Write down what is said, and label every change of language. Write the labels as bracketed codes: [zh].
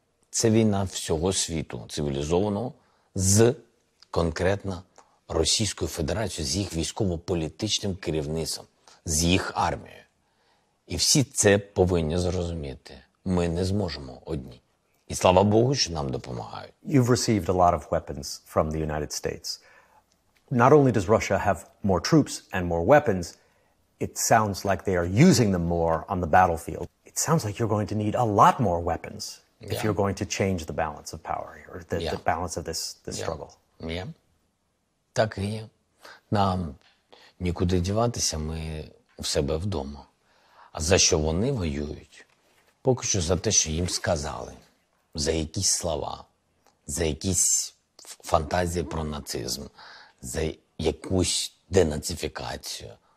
[uk] Це війна всього світу, цивілізованого, з конкретно Російською Федерацією, з їх військово-політичним керівництвом, з їх армією. І всі це повинні зрозуміти. Ми не зможемо одні. І слава Богу, що нам допомагають. [en] You've received a lot of weapons from the United States. Not only does Russia have more troops and more weapons, it sounds like they are using them more on the battlefield. It sounds like you're going to need a lot more weapons if you're going to change the balance of power, or the balance of this struggle. [uk] Yeah. Так і є. Нам нікуди діватися, ми у себе вдома. А за що вони воюють? Поки що за те, що їм сказали. За якісь слова, за якісь фантазії про нацизм, за якусь денацифікацію.